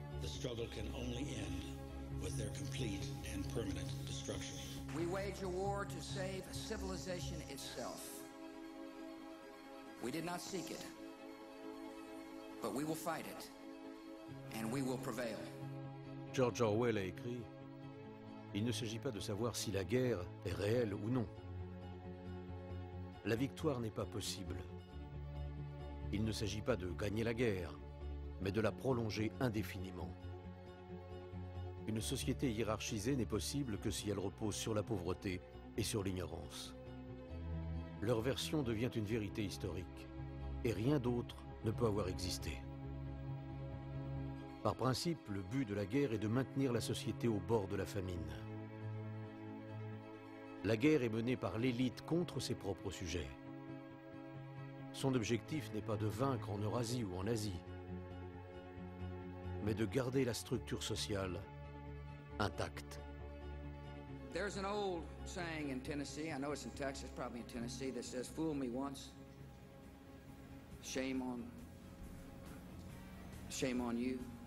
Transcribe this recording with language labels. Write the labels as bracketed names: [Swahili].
[English] The struggle can only end with their complete and permanent destruction. We wage a war to save civilization itself. We did not seek it, but we will fight it, and we will prevail. [French] George Orwell a écrit, « Il ne s'agit pas de savoir si la guerre est réelle ou non. La victoire n'est pas possible. Il ne s'agit pas de gagner la guerre, mais de la prolonger indéfiniment. » Une société hiérarchisée n'est possible que si elle repose sur la pauvreté et sur l'ignorance. Leur version devient une vérité historique, et rien d'autre ne peut avoir existé. Par principe, le but de la guerre est de maintenir la société au bord de la famine. La guerre est menée par l'élite contre ses propres sujets. Son objectif n'est pas de vaincre en Eurasie ou en Asie, mais de garder la structure sociale intact. [English] There's an old saying in Tennessee, I know it's in Texas, probably in Tennessee, that says, fool me once, shame on you.